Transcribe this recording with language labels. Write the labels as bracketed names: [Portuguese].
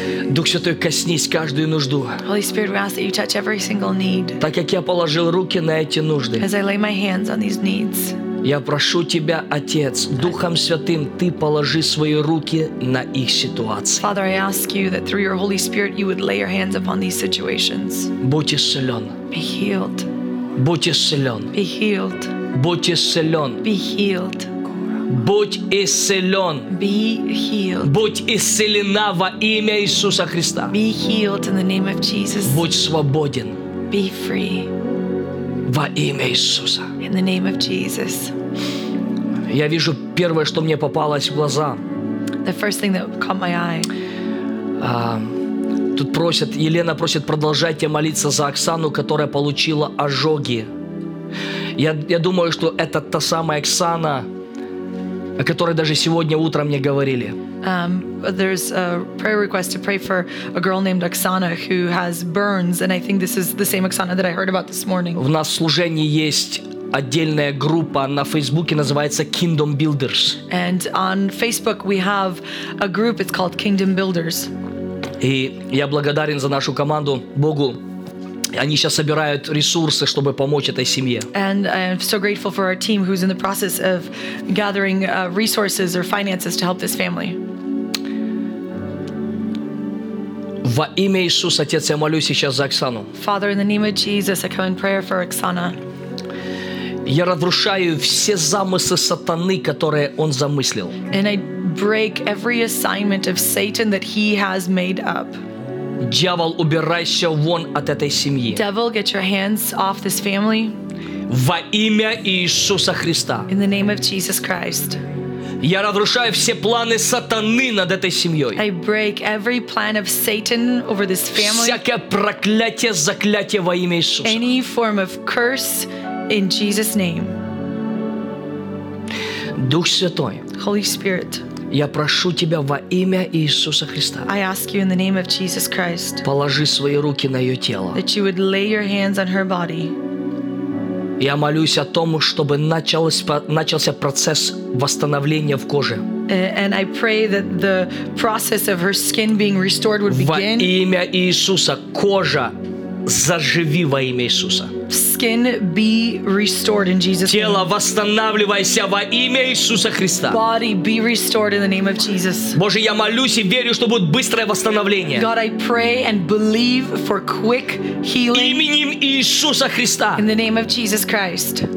[Russian] Дух Святой, коснись каждую нужду. [English] Holy Spirit, we ask that you touch every single need. [Russian] Так как я положил руки на эти нужды. [English] As I lay my hands on these needs. [Russian] Я прошу тебя, Отец, Духом Святым, ты положи свои руки на их ситуации. [English] Father, I ask you that through your Holy Spirit you would lay your hands upon these situations. [Russian] Будь исцелен. [English] Be healed. [Russian] Будь исцелен. [English] Be healed. [Russian] Будь исцелен. [English] Be healed. [Russian] Будь исцелен. [English] Be healed. [Russian] Будь исцелена во имя Иисуса Христа. [English] Be healed in the name of Jesus. [Russian] Будь свободен. [English] Be free. [Russian] Во имя Иисуса. [English] In the name of Jesus. [Russian] Я вижу первое, что мне попалось в глаза. [English] The first thing that caught my eye. [Russian] Тут просят, Елена просит, продолжайте молиться за Оксану, которая получила ожоги. Я думаю, что это та самая Оксана, о которой даже сегодня утром мне говорили. [English] There's a prayer request to pray for a girl named Oksana who has burns, and I think this is the same Oksana that I heard about this morning. [Russian] В нас служении есть отдельная группа на Фейсбуке, называется Kingdom Builders. [English] And on Facebook we have a group, it's called Kingdom Builders. [Russian] И я благодарен за нашу команду Богу. Они сейчас собирают ресурсы, чтобы помочь этой семье. [English] And I'm so grateful for our team who's in the process of gathering resources or finances to help this family. [Russian] Во имя Иисуса, Отец, я молюсь сейчас за Оксану. [English] Father, in the name of Jesus, I come in prayer for Oksana. [Russian] Я разрушаю все замыслы сатаны, которые он замыслил. [English] And I break every assignment of Satan that he has made up. [Russian] Дьявол, убирайся вон от этой семьи. [English] Devil, get your hands off this family. [Russian] Во имя Иисуса Христа. [English] In the name of Jesus Christ. [Russian] Я разрушаю все планы сатаны над этой семьей. [English] I break every plan of Satan over this family. [Russian] Всякое проклятие, заклятие во имя Иисуса. [English] Any form of curse in Jesus' name. [Russian] Дух Святой. [English] Holy Spirit. [Russian] Я прошу тебя во имя Иисуса Христа. [English] I ask you in the name of Jesus Christ. [Russian] Положи свои руки на ее тело. [English] That you would lay your hands on her body. [Russian] Я молюсь о том, чтобы начался процесс восстановления в коже. [English] And I pray that the process of her skin being restored would begin. [Russian] Во имя Иисуса, кожа, заживи во имя Иисуса. [English] Skin be restored in Jesus' name. [Russian] Тело, восстанавливайся во имя Иисуса Христа. [English] Body be restored in the name of Jesus. [Russian] Боже, я молюсь и верю, что будет быстрое восстановление. [English] God, I pray and believe for quick healing. [Russian] Именем Иисуса Христа. [English] In the name of Jesus Christ.